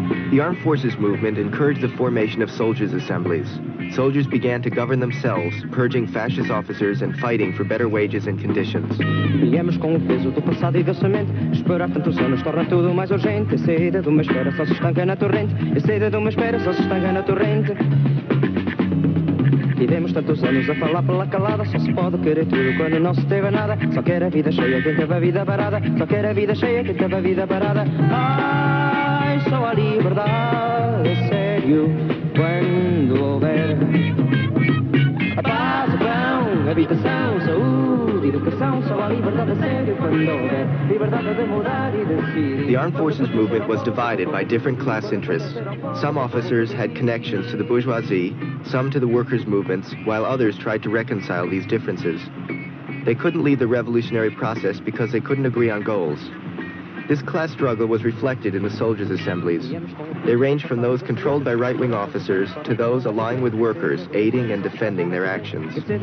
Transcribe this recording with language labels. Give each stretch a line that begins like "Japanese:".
English: The Armed Forces Movement encouraged the formation of soldiers' assemblies. Soldiers began to govern themselves, purging fascist officers and fighting for better wages and conditions.
Portuguese: Viemos com o peso do passado e do cemento. Esperar tantos anos torna tudo mais urgente. A saída de uma espera só se estanca na torrente. A saída de uma espera só se estanca na torrente. Vivemos tantos anos a falar pela calada. Só se pode querer tudo quando não se teve nada. Só quer a vida cheia quem teve a vida parada. Só quer a vida cheia quem teve a vida parada. Ai, só a liberdade, é sério. Quando houver a paz, o pão, habitação, saúde, educação, só a liberdade a sério quando houver liberdade de mudar e decidir.
English: The Armed Forces Movement was divided by different class interests. Some officers had connections to the bourgeoisie, some to the workers' movements, while others tried to reconcile these differences. They couldn't lead the revolutionary process because they couldn't agree on goals. This class struggle was reflected in the soldiers' assemblies. They ranged from those controlled by right-wing officers to those aligned with workers, aiding and defending their actions.